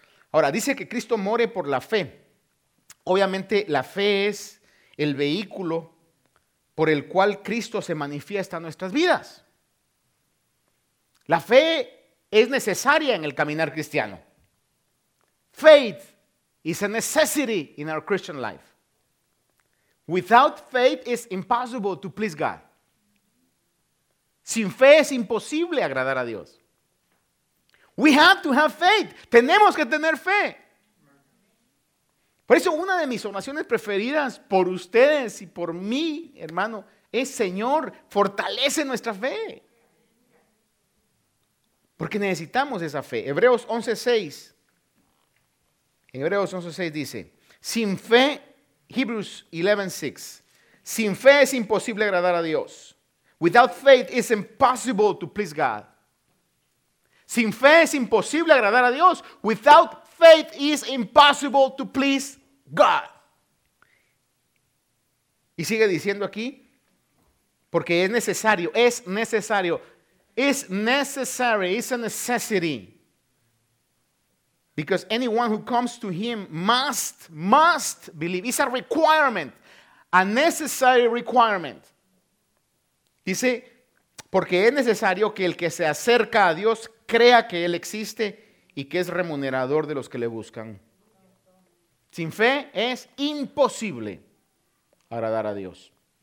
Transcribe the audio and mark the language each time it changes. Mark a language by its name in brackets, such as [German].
[Spanish] Ahora, dice que Cristo more por la fe. Obviamente, la fe es el vehículo por el cual Cristo se manifiesta en nuestras vidas. La fe es necesaria en el caminar cristiano. [English] Faith is a necessity in our Christian life. Without faith, it's impossible to please God. [Spanish] Sin fe es imposible agradar a Dios. [English] We have to have faith. [Spanish] Tenemos que tener fe. Por eso una de mis oraciones preferidas por ustedes y por mí, hermano, es: Señor, fortalece nuestra fe. Porque necesitamos esa fe. Hebreos 11:6. En Hebreos 11:6 dice: sin fe, Hebrews 11:6. Sin fe es imposible agradar a Dios. [English] Without faith it's impossible to please God. [Spanish] Sin fe es imposible agradar a Dios. [English] Without faith it's impossible to please God. [Spanish] Y sigue diciendo aquí, porque es necesario, es necesario. [English] It's necessary, it's a necessity. Because anyone who comes to him must believe. It's a requirement, a necessary requirement. [Spanish] Dice, porque es necesario que el que se acerca a Dios crea que Él existe y que es remunerador de los que le buscan. Sin fe es imposible agradar a Dios.